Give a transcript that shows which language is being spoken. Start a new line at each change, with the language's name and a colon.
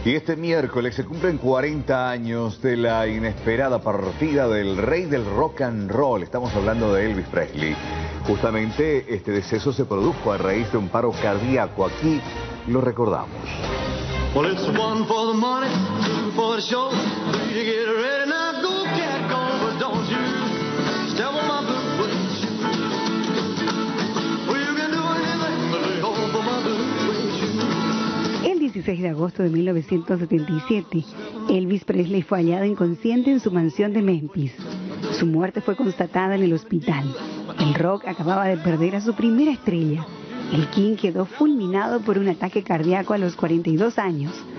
Spanish: Y este miércoles se cumplen 40 años de la inesperada partida del rey del rock and roll. Estamos hablando de Elvis Presley. Justamente este deceso se produjo a raíz de un paro cardíaco. Aquí lo recordamos.
English: Well, it's one for the money, two for the show. You get ready now, go get gone, but don't you step on my blue suede shoes. Well, you can do anything, but lay hold for my blue suede shoes.
Spanish: El 16 de agosto de 1977, Elvis Presley fue hallado inconsciente en su mansión de Memphis. Su muerte fue constatada en el hospital. El rock acababa de perder a su primera estrella. El King quedó fulminado por un ataque cardíaco a los 42 años.